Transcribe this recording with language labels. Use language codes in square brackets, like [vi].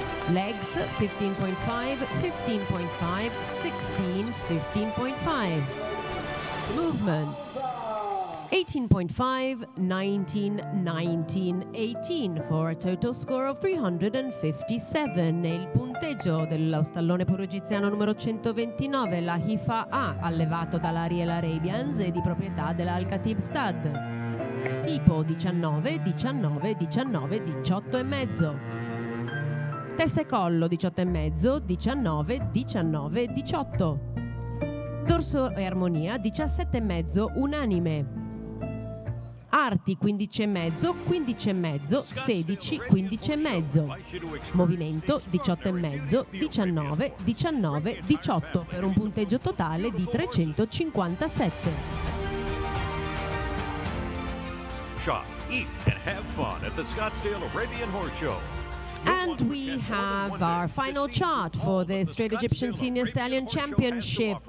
[en] Legs 15.5, 15.5, 16, 15.5. Movement 18.5, 19, 19, 18, for a total score of 357. [it] Il punteggio dello stallone puro egiziano numero 129, la Hifa A, allevato dall'Ariel Arabians e di proprietà dell'Al Khatib Stud. Tipo 19, 19, 19, 18 e mezzo. Testa e collo 18.5, 19, 19, 18. Dorso e armonia 17.5 unanime. Arti 15.5, 15.5, 16, 15.5. Movimento 18.5, 19, 19, 18, per un punteggio totale di 357. [en] Shop, eat and have fun at the Scottsdale Arabian Horse Show. And we have our final chart for the Straight Egyptian Senior Stallion Championship.